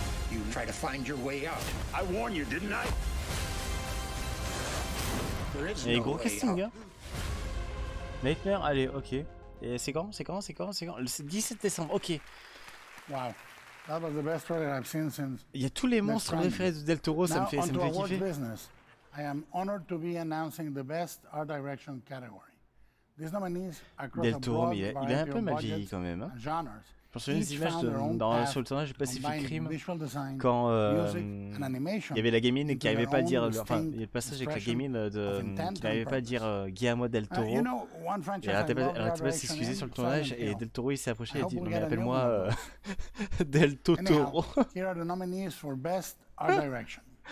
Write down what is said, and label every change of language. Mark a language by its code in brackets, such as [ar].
[en] You try to find your way out. I warned you, didn't I? There is no way out. [fr] Nightmare, allez, ok. Et c'est quand? Le 17 décembre, ok. [en] Wow. That was the best trailer I've seen since. [fr] Il y a tous les monstres préférés de Del Toro, ça me fait kiffer. [en] Business. I am honored to be announcing the best art direction category. These nominees across Del Toro, a broad [fr] il a un peu mal vieilli quand même. Hein. Pour ceux des images dans sur le tournage de Pacific Rim, quand il y avait la gamine qui n'arrivait pas à dire, enfin il y a le passage avec la gamine de qui n'arrivait pas à dire Guillermo del Toro, elle n'arrêtait pas de s'excuser sur le tournage et del Toro il s'est approché et a dit mais appelle-moi del Toro. [en] Here are the nominees for best art direction.